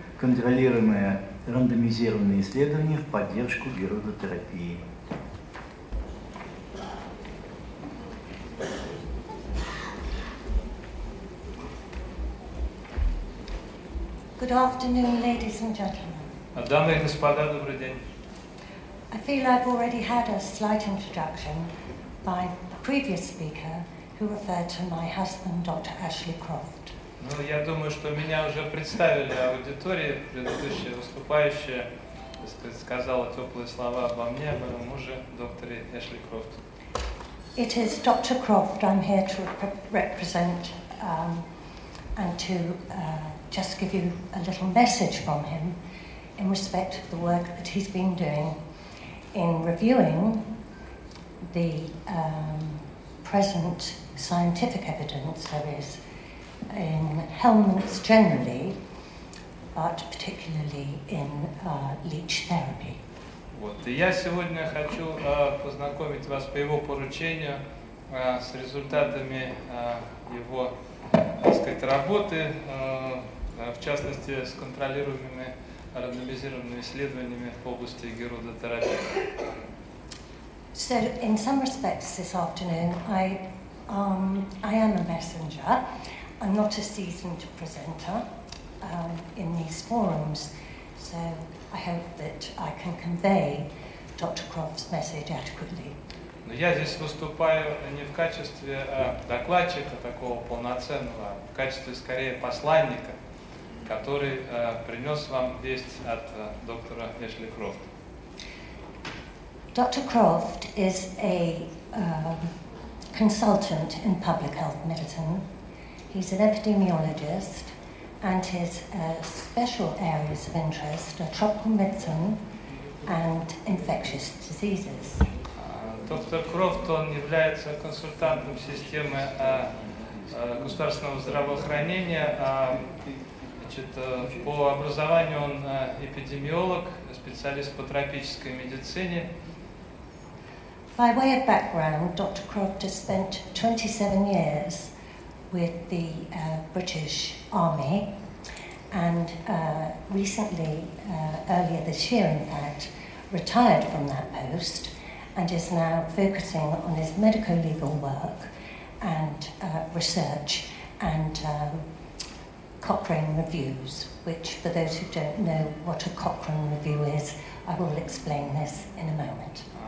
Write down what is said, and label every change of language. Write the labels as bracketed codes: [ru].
[ru] Контролируемое рандомизированное исследование в поддержку герудотерапии». [en] Good afternoon, ladies and gentlemen. [ru] Дамы и господа, добрый день. [en] I feel I've already had a slight introduction by the previous speaker who referred to my husband, Dr. Ashley Croft. [ru] Ну, я думаю, что меня уже представили аудитории, предыдущая выступающая, так сказать, сказала теплые слова обо мне, о моем муже, докторе Эшли Крофт. [en] It is Dr. Croft I'm here to represent and to just give you a little message from him in respect of the work that he's been doing in reviewing the present scientific evidence there is in helminths generally, but particularly in leech therapy. [ru] Вот, и я сегодня хочу познакомить вас по его поручению с результатами его, так сказать, работы, в частности, с контролируемыми рандомизированными исследованиями в области герудотерапии. [en] So, in some respects, this afternoon, I am a messenger. I'm not a seasoned presenter in these forums, so I hope that I can convey Dr. Croft's message adequately. [ru] Но я здесь выступаю не в качестве докладчика такого полноценного, в качестве скорее посланника, который принес вам весть от доктора Эшли Крофт. [en] Dr. Croft is a consultant in public health medicine. He's an epidemiologist, and his special areas of interest are tropical medicine and infectious diseases. [ru] Доктор Крофт, он является консультантом системы государственного здравоохранения. Значит, по образованию он эпидемиолог, специалист по тропической медицине. [en] By way of background, Dr. Croft has spent 27 years with the British Army, and recently, earlier this year in fact, retired from that post and is now focusing on his medico-legal work and research and Cochrane reviews, which for those who don't know what a Cochrane review is, I will explain this in a moment.